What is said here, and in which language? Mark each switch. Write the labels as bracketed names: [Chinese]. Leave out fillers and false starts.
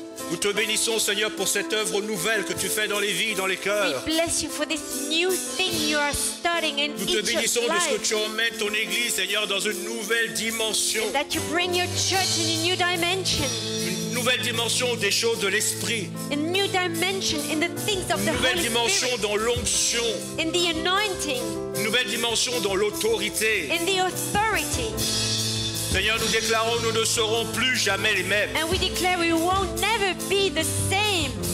[French] Nous te bénissons, Seigneur, pour cette œuvre nouvelle que tu fais dans les vies, dans les cœurs. [English] We bless you for this new thing you are starting in each [French] life. Nous te bénissons de ce que tu emmènes ton église, Seigneur, dans une nouvelle dimension. [English] And that you bring your church in a new dimension. [French] Une nouvelle dimension des choses de l'esprit. [English] A new dimension in the things of the Holy [French] Spirit. Une nouvelle dimension dans l'onction. [English] In the anointing. [French] Une nouvelle dimension dans l'autorité. [English] In the authority. [French] Seigneur, nous déclarons, nous ne serons plus jamais les mêmes. [English] And we declare we won't never be the same.